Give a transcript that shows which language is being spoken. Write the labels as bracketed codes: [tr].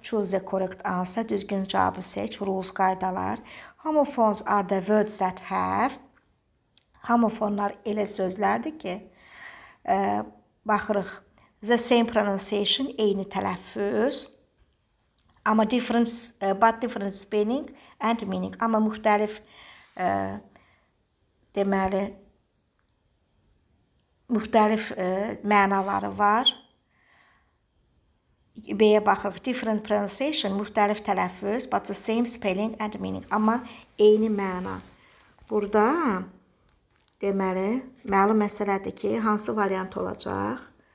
[en] Choose the correct answer. [az] Düzgün cavabı seç. [en] Rules, qaydalar. Homophones are the words that have. [az] Homophonlar elə sözlərdir ki, baxırıq. [en] The same pronunciation, [az] eyni tələffüz. [en] Amma different, but different spelling and meaning. [az] Amma müxtəlif, deməli, müxtəlif mənaları var. [en] B-yə baxırıq. Different pronunciation, [az] müxtəlif tələffüz, [en] but the same spelling and meaning. [az] Amma eyni məna. Burada, deməli, məlum məsələdir ki, hansı variant olacaq?